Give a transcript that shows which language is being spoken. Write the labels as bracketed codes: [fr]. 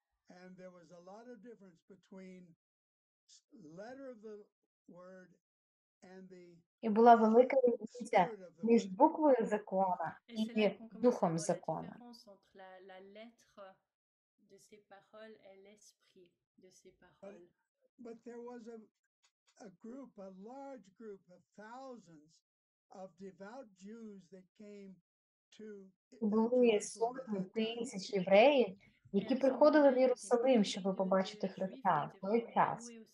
[en] And there was a lot of difference between letter of the word and the [uk] і була велика різниця між буквою закона і духом закона. [fr] La lettre de ses paroles et l'esprit de ses paroles. [en] But there was a group, a large group of thousands of devout Jews that came to [uk] були сотні тисяч євреїв, які приходили в Єрусалим, щоб побачити Христа в той час.